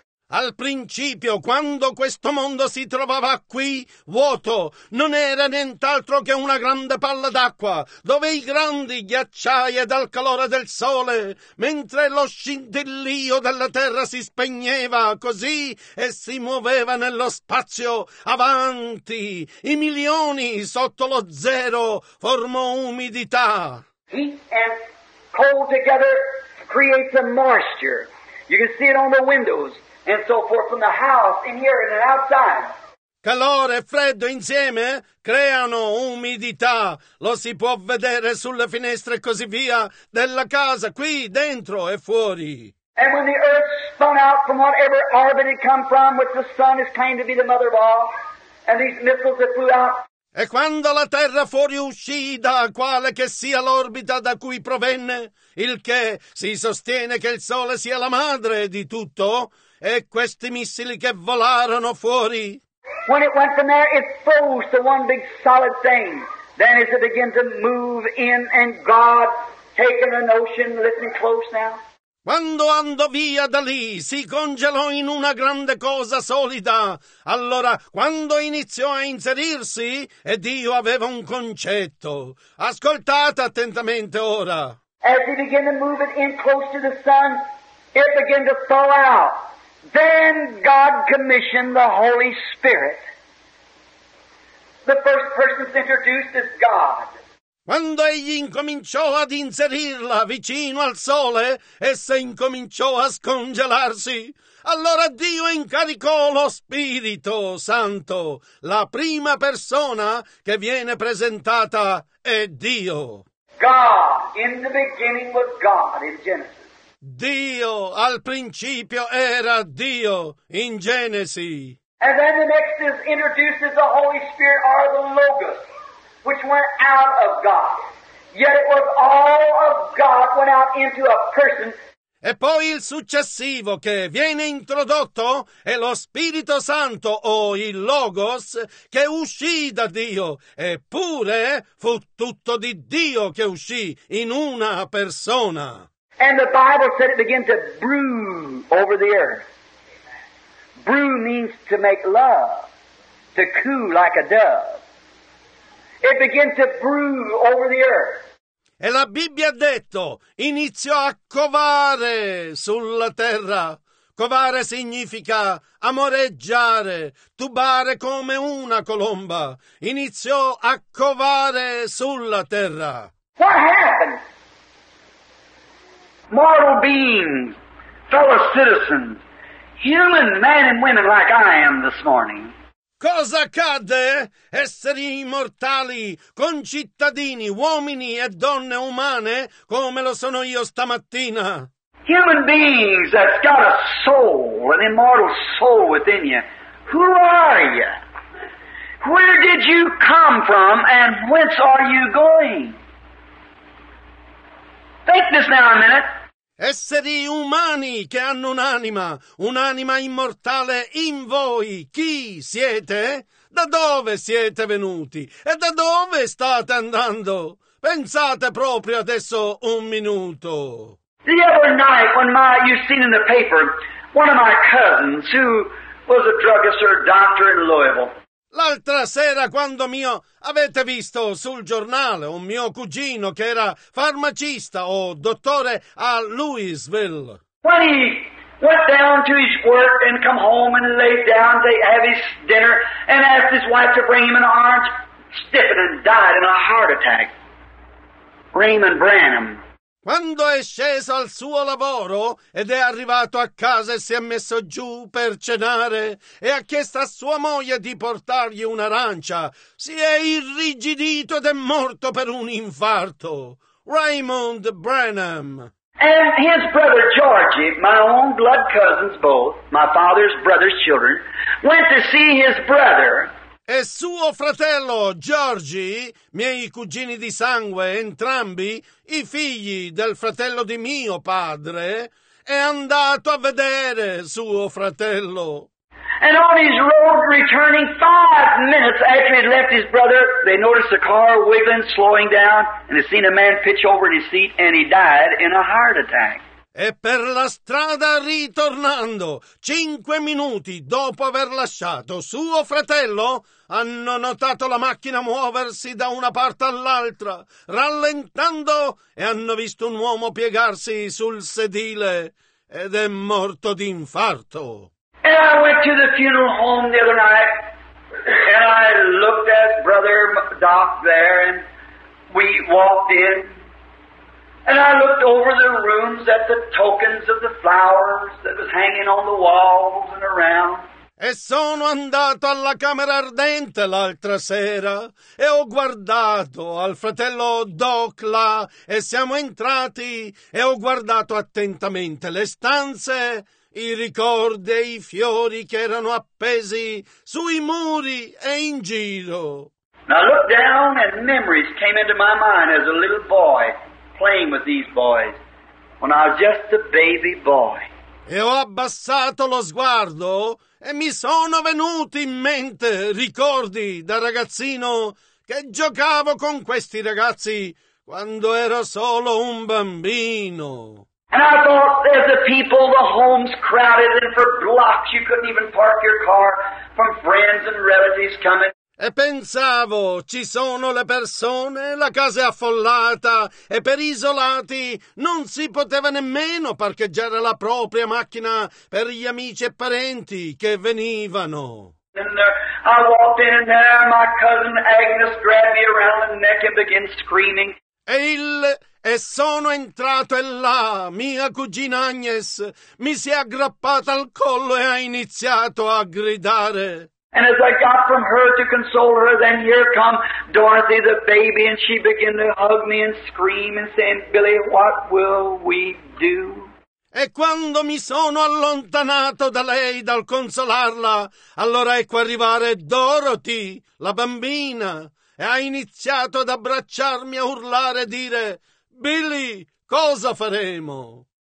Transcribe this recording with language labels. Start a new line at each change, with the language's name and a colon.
Italian: Al principio, quando questo mondo si trovava qui, vuoto, non era nient'altro che una grande palla d'acqua, dove i grandi ghiacciai dal calore del sole, mentre lo scintillio della terra si spegneva così e si muoveva nello spazio avanti, i milioni sotto lo zero formò umidità.
English: Heat and cold together create a moisture. You can see it on the windows and so forth from the house in here and outside.
Italian: Calore e freddo insieme creano umidità. Lo si può vedere sulle finestre e così via della casa, qui dentro e fuori.
English: And when the earth spun out from whatever orbit it come from, which the sun is claimed to be the mother of all, and these missiles that flew out.
Italian: E quando la terra fuoriuscì da quale che sia l'orbita da cui provenne, il che si sostiene che il sole sia la madre di tutto, e questi missili che volarono fuori.
English: When it went from there, it froze to one big solid thing. Then as it began to move in and God taking a notion, listen close now.
Italian: Quando andò via da lì, si congelò in una grande cosa solida. Allora, quando iniziò a inserirsi, e Dio aveva un concetto. Ascoltate attentamente ora.
English: As he began to move it in close to the sun, it began to thaw out. Then God commissioned the Holy Spirit. The first person introduced is God.
Italian: Quando egli incominciò ad inserirla vicino al sole, essa incominciò a scongelarsi. Allora Dio incaricò lo Spirito Santo. La prima persona che viene presentata è Dio.
English: God, in the beginning was God in Genesis.
Italian: Dio, al principio era Dio in Genesi.
English: And then the next is introduced as the Holy Spirit or the Logos, which went out of God. Yet it was all of God went out into a person.
Italian: E poi il successivo che viene introdotto è lo Spirito Santo o il Logos che uscì da Dio. Eppure fu tutto di Dio che uscì in una persona.
English: And the Bible said it began to brew over the earth. Brew means to make love, to coo like a dove. It began to brew over the earth.
Italian: E la Bibbia ha detto, iniziò a covare sulla terra. Covare significa amoreggiare, tubare come una colomba. Iniziò a covare sulla terra.
English: What happened? Mortal beings, fellow citizens, human men and women like I am this morning.
Italian: Cosa accadde? Esseri immortali, concittadini, uomini e donne umane, come lo sono io stamattina.
English: Human beings that's got a soul, an immortal soul within you. Who are you? Where did you come from and whence are you going? Think this now a minute.
Italian: Esseri umani che hanno un'anima immortale in voi, chi siete? Da dove siete venuti? E da dove state andando? Pensate proprio adesso un minuto.
English: The other night, when you've seen in the paper, one of my cousins, who was a druggist or a doctor in Louisville,
Italian: l'altra sera quando avete visto sul giornale un mio cugino che era farmacista o dottore a Louisville.
English: When he went down to his work and come home and laid down to have his dinner and asked his wife to bring him an orange, stiffened and died in a heart attack. Raymond Branham.
Italian: Quando è sceso al suo lavoro ed è arrivato a casa e si è messo giù per cenare e ha chiesto a sua moglie di portargli un'arancia, si è irrigidito ed è morto per un infarto. Raymond Branham.
English: And his brother Georgie, my own blood cousins both, my father's brother's children, went to see his brother.
Italian: E suo fratello Georgie, miei cugini di sangue, entrambi i figli del fratello di mio padre, è andato a vedere suo fratello.
English: And on his road returning 5 minutes after he left his brother, they noticed the car wiggling, slowing down, and they seen a man pitch over in his seat and he died in a heart attack.
Italian: E per la strada ritornando, 5 minuti dopo aver lasciato suo fratello, hanno notato la macchina muoversi da una parte all'altra, rallentando, e hanno visto un uomo piegarsi sul sedile ed è morto di infarto.
English: And I went to the funeral home the other night, and I looked at brother Doc there, and we walked in. And I looked over the rooms at the tokens of the flowers that was hanging on the walls and around.
Italian: E sono andato alla camera ardente l'altra sera e ho guardato al fratello Doc là e siamo entrati e ho guardato attentamente le stanze, i ricordi e i fiori che erano appesi sui muri e in giro.
English: Now I looked down and memories came into my mind as a little boy playing with these boys when I was just a baby boy.
Italian: E ho abbassato lo sguardo e mi sono venuti in mente ricordi da ragazzino che giocavo con questi ragazzi quando ero solo un bambino.
English: And I thought, there's the people, the homes crowded, and for blocks you couldn't even park your car from friends and relatives coming.
Italian: E pensavo, ci sono le persone, la casa è affollata, e per isolati non si poteva nemmeno parcheggiare la propria macchina per gli amici e parenti che venivano.
English: And there, I walked in and there, my cousin Agnes grabbed me around the neck and began screaming.
Italian: E sono entrato e là, mia cugina Agnes mi si è aggrappata al collo e ha iniziato a gridare.
English: And as I got from her to console her, then here come Dorothy the baby, and she began to hug me and scream and saying, Billy, what will we do?
Italian: E quando mi sono allontanato da lei dal consolarla, allora ecco arrivare Dorothy, la bambina, e ha iniziato ad abbracciarmi, a urlare e dire, Billy, cosa faremo?